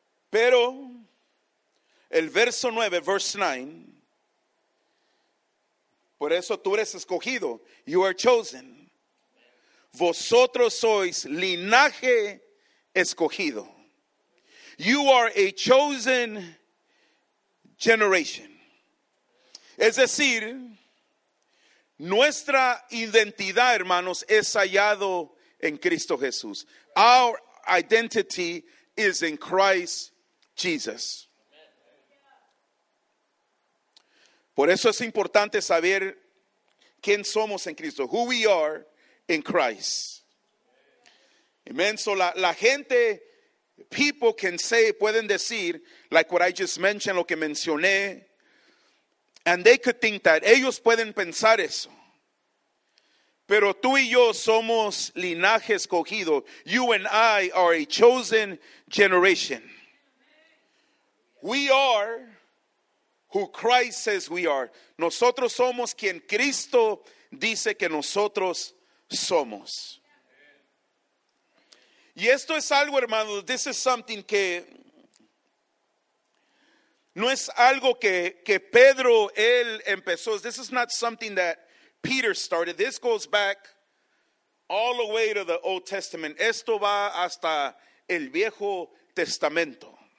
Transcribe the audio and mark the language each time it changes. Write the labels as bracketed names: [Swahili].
[Spanish] Pero el verso 9, [English] verse 9, [Spanish] por eso tú eres escogido, [English] you are chosen. [Spanish] Vosotros sois linaje escogido. [English] You are a chosen generation. [Spanish] Es decir, nuestra identidad, hermanos, es hallado en Cristo Jesús. [English] Our identity is in Christ Jesus. [Spanish] Por eso es importante saber quién somos en Cristo. [English] Who we are in Christ. [Spanish] Inmenso. La gente, [English] people can say, [Spanish] pueden decir, [English] like what I just mentioned, [Spanish] lo que mencioné. [English] And they could think that. Ellos pueden pensar eso. [Spanish] Pero tú y yo somos linaje escogido. [English] You and I are a chosen generation. We are who Christ says we are. [Spanish] Nosotros somos quien Cristo dice que nosotros somos. Y esto es algo, hermanos, [English] this is something [Spanish] que no es algo que Pedro, él empezó. [English] This is not something that Peter started. This goes back all the way to the Old Testament. [Spanish] Esto va hasta el Viejo Testamento.